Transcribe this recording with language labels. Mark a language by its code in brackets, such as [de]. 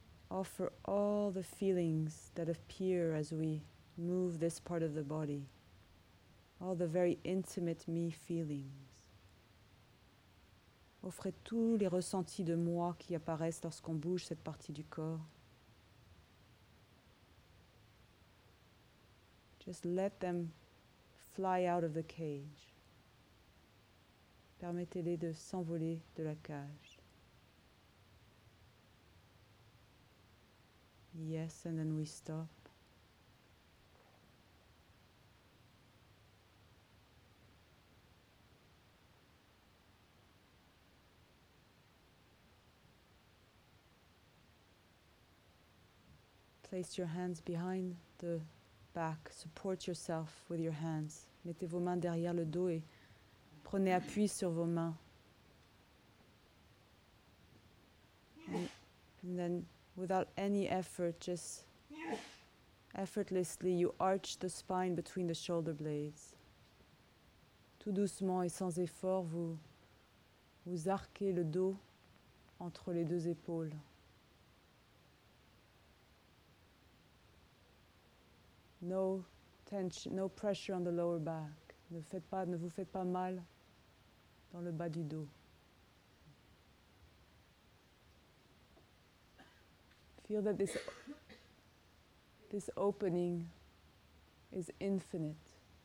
[en] Offer all the feelings that appear as we move this part of the body. All the very intimate me feelings. [fr] Offrez tous les ressentis de moi qui apparaissent lorsqu'on bouge cette partie du corps. [en] Just let them fly out of the cage. [fr] Permettez-les de s'envoler de la cage. [en] Yes, and then we stop. Place your hands behind the back. Support yourself with your hands. [fr] Mettez vos mains derrière le dos et prenez appui sur vos mains. [en] And then, without any effort, just effortlessly, you arch the spine between the shoulder blades. [fr] Tout doucement et sans effort, vous arquez le dos entre les deux épaules. [en] No tension, no pressure on the lower back. [fr] Ne vous faites pas mal dans le bas du dos. [en] Feel that this opening is infinite.